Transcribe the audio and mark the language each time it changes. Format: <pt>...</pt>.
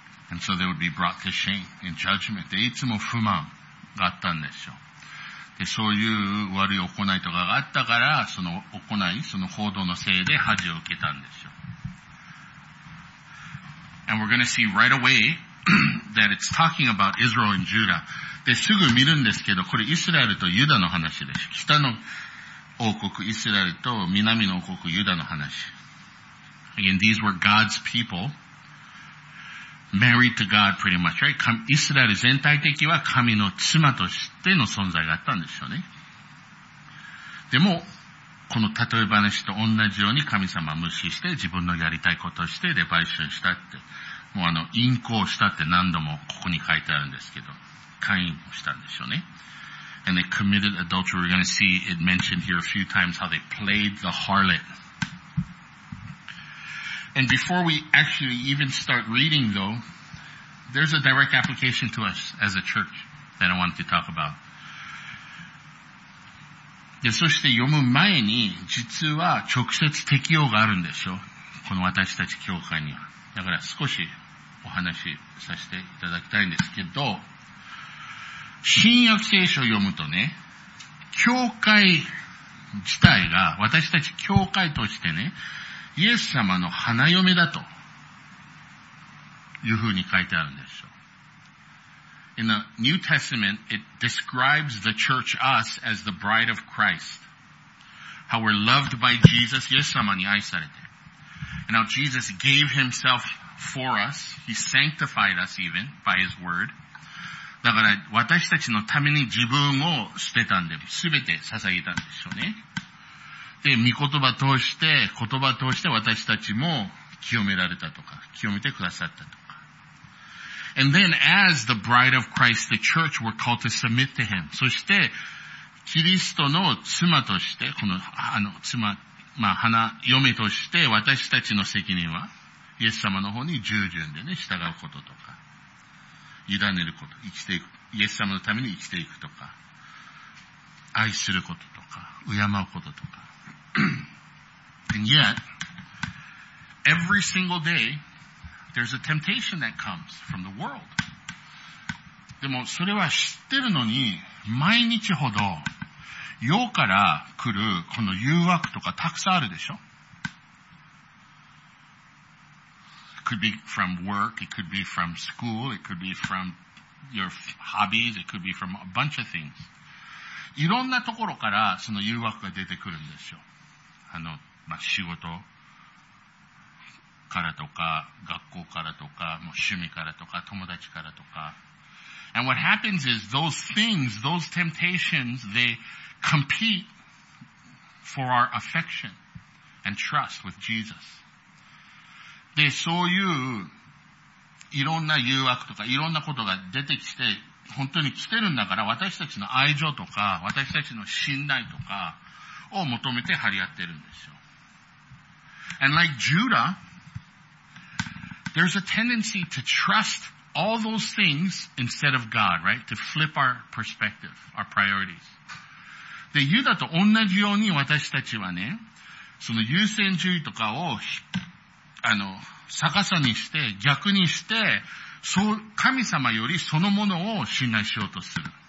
<en>And so they would be brought to shame in judgment.</en> <ja>で、いつも不満があったんですよ。で、そういう悪い行いとかがあったから、その行い、その報道のせいで恥を受けたんですよ。</ja> <en>And we're going to see right away that it's talking about Israel and Judah.</en> <ja>で、すぐ見るんですけど、これイスラエルとユダの話です。北の王国イスラエルと南の王国ユダの話。</ja> <en>Again, these were God's people married to God pretty much, right?</en> <ja>イスラエル全体的は神の妻としての存在があったんですよね。でも、この例え話と同じように神様無視して自分のやりたいことをしてで売春したって。もう淫行したって何度もここに書いてあるんですけど。会員をしたんでしょうね。</ja> <en>And they committed adultery. We're gonna see it mentioned here a few times how they played the harlot. And before we actually even start reading though, there's a direct application to us as a church that I wanted to talk about.</en> <ja>で、そして読む前に、実は直接適用があるんでしょ。この私たち教会には。だから少しお話しさせていただきたいんですけど、新約聖書を読むとね、教会自体が、私たち教会としてね、イエス様の花嫁だと、いうふうに書いてあるんでしょ。</ja> <en>In the New Testament, it describes the church, us, as the bride of Christ. How we're loved by Jesus.</en> <ja>イエス様に愛されて。</ja> <en>And how Jesus gave himself for us. He sanctified us even by his word.</en> <ja>だから私たちのために自分を捨てたんで、すべて捧げたんでしょうね。で、御言葉通して、言葉通して私たちも清められたとか、清めてくださったとか。</ja> <en>And then as the bride of Christ, the church were called to submit to him.</en> <ja>そして、キリストの妻として、この、妻、まあ、花嫁として、私たちの責任は、イエス様の方に従順でね、従うこととか、委ねること、生きていく、イエス様のために生きていくとか、愛することとか、敬うこととか。</ja> <en>And yet, every single day,There's a temptation that comes from the world.</en> <ja>でもそれは知ってるのに、毎日ほど、世から来るこの誘惑とかたくさんあるでしょ?</ja> <en>Could be from work, it could be from school, it could be from your hobbies, it could be from a bunch of things.</en> <ja>いろんなところからその誘惑が出てくるんですよ。まあ、仕事。からとか、学校からとか、もう趣味からとか、友達からとか。</ja> <en>And what happens is those things, those temptations, they compete for our affection and trust with Jesus.</en> <ja>で、そういういろんな誘惑とかいろんなことが出てきて本当に来てるんだから、私たちの愛情とか私たちの信頼とかを求めて張り合ってるんですよ。</ja> <en>And like Judah, there's a tendency to trust all those things instead of God, right? To flip our perspective, our priorities.</en> <ja>で、ユダと同じように私たちはね、その優先順位とかを逆さにして逆にして、そう、神様よりそのものを信頼しようとする。</ja>